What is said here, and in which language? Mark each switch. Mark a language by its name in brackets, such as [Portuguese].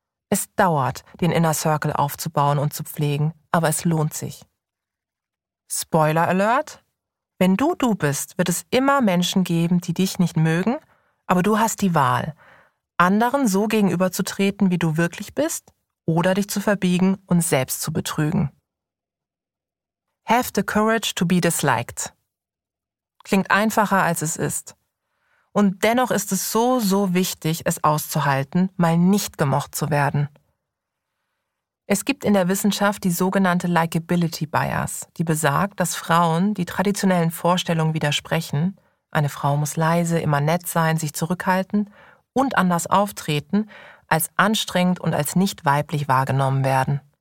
[German] Es dauert, den Inner Circle aufzubauen und zu pflegen, aber es lohnt sich. [English] Spoiler Alert! [German] Wenn du bist, wird es immer Menschen geben, die dich nicht mögen, aber du hast die Wahl, anderen so gegenüberzutreten, wie du wirklich bist, oder dich zu verbiegen und selbst zu betrügen. [English] Have the courage to be disliked. [German] Klingt einfacher, als es ist. Und dennoch ist es so, so wichtig, es auszuhalten, mal nicht gemocht zu werden. Es gibt in der Wissenschaft die sogenannte Likeability Bias, die besagt, dass Frauen, die traditionellen Vorstellungen widersprechen, eine Frau muss leise, immer nett sein, sich zurückhalten und anders auftreten, als anstrengend und als nicht weiblich wahrgenommen werden.